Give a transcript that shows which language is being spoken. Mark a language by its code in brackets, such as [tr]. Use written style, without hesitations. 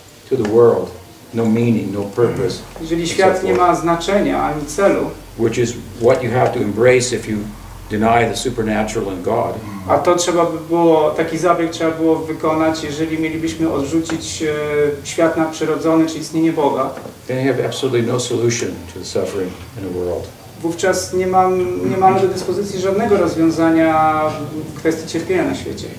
[en] to the world, no meaning, no purpose, [pl] jeżeli świat nie ma znaczenia ani celu, [en] which is what you have to embrace if you deny the supernatural in God. [pl] A to trzeba by było, taki zabieg trzeba było wykonać, jeżeli mielibyśmy odrzucić świat nadprzyrodzony, czy istnienie Boga. [en] Then you have absolutely no solution to the suffering in the world. [pl] Wówczas nie mamy do dyspozycji żadnego rozwiązania w kwestii cierpienia na świecie.